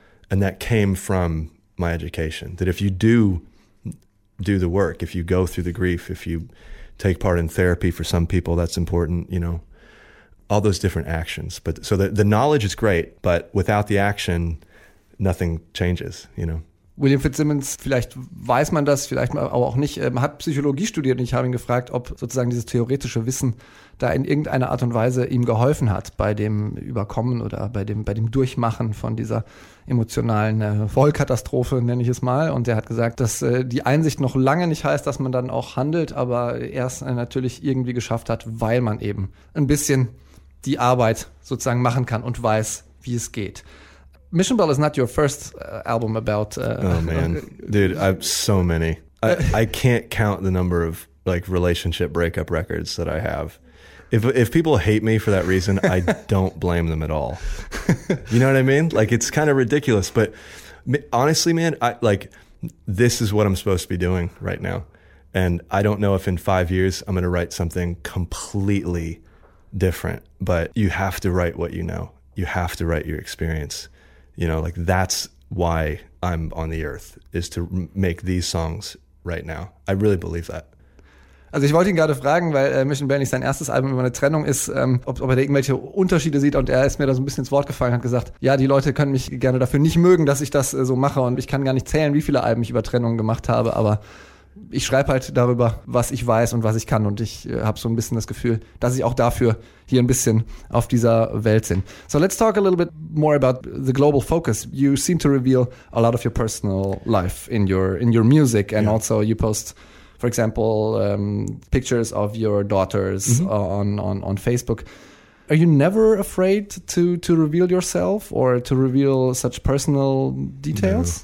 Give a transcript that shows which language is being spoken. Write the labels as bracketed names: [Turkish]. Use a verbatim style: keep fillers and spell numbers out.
[English] And that came from my education, that if you do do the work, if you go through the grief, if you take part in therapy, for some people that's important, you know, all those different actions. But so the, the knowledge is great, but without the action, nothing changes, you know. [German] William Fitzsimmons, vielleicht weiß man das, vielleicht aber auch nicht, ähm, hat Psychologie studiert, und ich habe ihn gefragt, ob sozusagen dieses theoretische Wissen da in irgendeiner Art und Weise ihm geholfen hat bei dem Überkommen oder bei dem, bei dem Durchmachen von dieser emotionalen äh, Vollkatastrophe, nenne ich es mal. Und er hat gesagt, dass äh, die Einsicht noch lange nicht heißt, dass man dann auch handelt, aber er es äh, natürlich irgendwie geschafft hat, weil man eben ein bisschen die Arbeit sozusagen machen kann und weiß, wie es geht. [English] Mission Bell is not your first uh, album about... Uh, oh, man. Dude, I have so many. I, I can't count the number of like relationship breakup records that I have. If if people hate me for that reason, I don't blame them at all. You know what I mean? Like, it's kind of ridiculous, but honestly, man, I like this is what I'm supposed to be doing right now. And I don't know if in five years I'm going to write something completely different, but you have to write what you know. You have to write your experience. You know, like that's why I'm on the earth, is to make these songs right now. I really believe that. [German] Also ich wollte ihn gerade fragen, weil äh, Mission Bell nicht sein erstes Album über eine Trennung ist, ähm, ob, ob er da irgendwelche Unterschiede sieht, und er ist mir da so ein bisschen ins Wort gefallen und hat gesagt, ja, die Leute können mich gerne dafür nicht mögen, dass ich das äh, so mache, und ich kann gar nicht zählen, wie viele Alben ich über Trennungen gemacht habe, aber ich schreibe halt darüber, was ich weiß und was ich kann, und ich äh, habe so ein bisschen das Gefühl, dass ich auch dafür hier ein bisschen auf dieser Welt bin. [English] So let's talk a little bit more about the global focus. You seem to reveal a lot of your personal life in your in your music, and yeah. also you post, for example, um, pictures of your daughters mm-hmm. on, on on Facebook. Are you never afraid to to reveal yourself or to reveal such personal details?